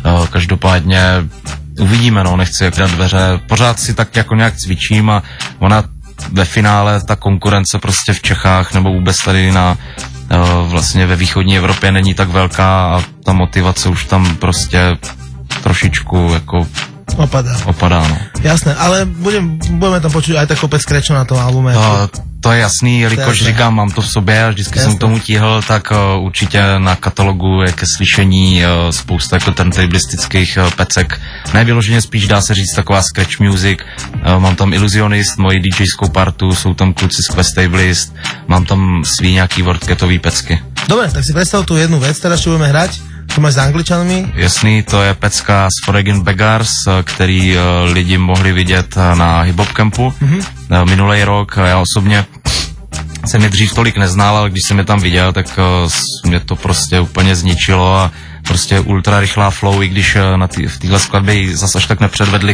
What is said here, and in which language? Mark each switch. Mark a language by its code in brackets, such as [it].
[cs] Každopádně uvidíme, no, nechci jak na dveře. Pořád si tak jako nějak cvičím a ona ve finále, ta konkurence prostě v Čechách nebo vůbec tady na vlastně ve východní Evropě není tak velká a ta motivace už tam prostě trošičku jako opadá, no. [sk] Jasné, ale budeme tam počuť aj tak kopec krečo na tom albume. [cs] To je jasný, jelikož říkám, mám to v sobě a vždycky jasné. Jsem tomu tíhl, tak určitě na katalogu je ke slyšení spousta jako turntablistických pecek. Nevyloženě spíš dá se říct taková scratch music. Mám tam Illusionist, moji DJskou partu, jsou tam kluci z Questablist, mám tam svý nějaký wordcatový pecky. [sk] Dobre, tak si predstav tu jednu vec, teda čo budeme hrať. To máš s Angličanmi? [cs] Jasný, to je pecka z Foreign Beggars, který lidi mohli vidět na hip-hop campu minulej rok. Já osobně jsem je dřív tolik neznal, ale když jsem je tam viděl, tak mě to prostě úplně zničilo a prostě ultra rychlá flow, i když v téhle skladbě ji zase až tak nepředvedli.